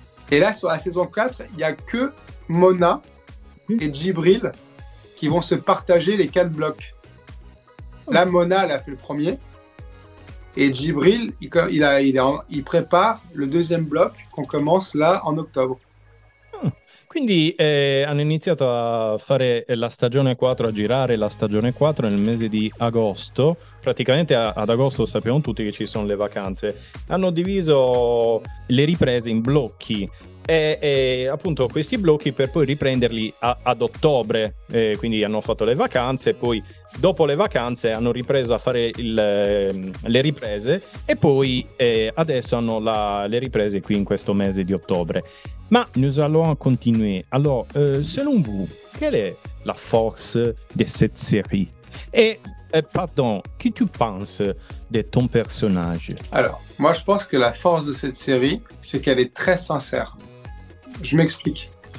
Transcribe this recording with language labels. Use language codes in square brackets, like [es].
[fr] Et là, sur la saison 4, il n'y a que Mona et Djibril qui vont se partager les 4 blocs. Là, Mona, elle a fait le premier. Et Djibril, il prépare le deuxième bloc qu'on commence là en octobre. [it] Quindi hanno iniziato a fare la stagione 4, a girare la stagione 4 nel mese di agosto. Praticamente ad agosto sappiamo tutti che ci sono le vacanze. Hanno diviso le riprese in blocchi e appunto questi blocchi per poi riprenderli ad ottobre. Quindi hanno fatto le vacanze, poi dopo le vacanze hanno ripreso a fare le riprese e poi adesso hanno le riprese qui in questo mese di ottobre. [fr] Ma nous allons continuer. Alors, selon vous, quelle est la force de cette série? Et, pardon, que tu penses de ton personnage? Alors, moi, je pense que la force de cette série, c'est qu'elle est très sincère. Je m'explique.